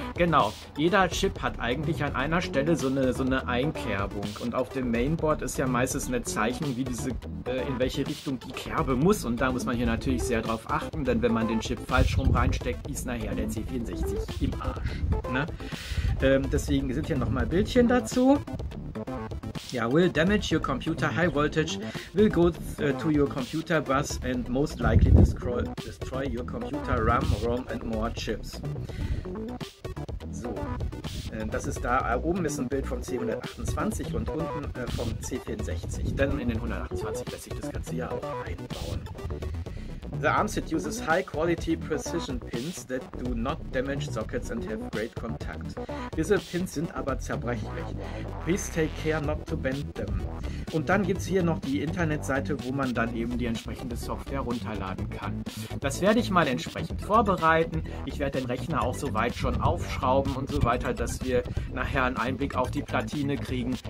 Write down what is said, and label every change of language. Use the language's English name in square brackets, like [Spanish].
[German] Genau, jeder Chip hat eigentlich an einer Stelle so eine Einkerbung. Und auf dem Mainboard ist ja meistens eine Zeichnung, wie diese, in welche Richtung die Kerbe muss. Und da muss man hier natürlich sehr drauf achten, denn wenn man den Chip falsch rum reinsteckt, ist nachher der C64 im Arsch. Ne? Deswegen sind hier nochmal Bildchen dazu. [English] Ja, will damage your computer, high voltage will go to your computer bus and most likely destroy your computer, RAM, ROM and more chips. [German] So, das ist da, oben ist ein Bild vom C128 und unten vom C64, denn in den 128 lässt sich das Ganze ja auch einbauen. [English] The ARMSID uses high-quality precision pins that do not damage sockets and have great contact. [German] Diese Pins sind aber zerbrechlich. [English] Please take care not to bend them. [German] Und dann gibt es hier noch die Internetseite, wo man dann eben die entsprechende Software runterladen kann. Das werde ich mal entsprechend vorbereiten. Ich werde den Rechner auch soweit schon aufschrauben und so weiter, dass wir nachher einen Einblick auf die Platine kriegen.